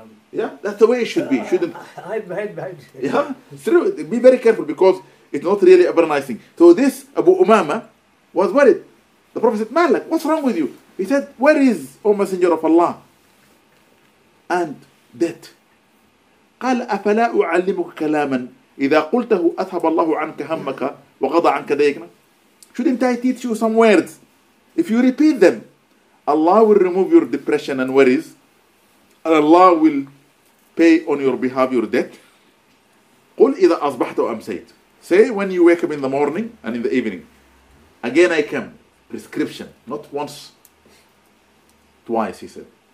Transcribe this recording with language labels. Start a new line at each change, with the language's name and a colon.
English: Yeah, that's the way it should be. Shouldn't? I imagine. Yeah, through. Be very careful because it's not really a very nice thing. So this Abu Umama was worried. The Prophet said, "Malak, what's wrong with you?" He said, "Where is O Messenger of Allah?" And debt.
Arabic: قال أفلا أعلمك كلاما إذا قلته أذهب الله عنك همك وقضى عنك ديكنا.
English: Shouldn't I teach you some words? If you repeat them, Allah will remove your depression and worries, and Allah will pay on your behalf your debt.
Arabic: قل إذا أصبحت وأمسيت.
English: Say when you wake up in the morning and in the evening. Again I come. Prescription. Not once, twice, he said.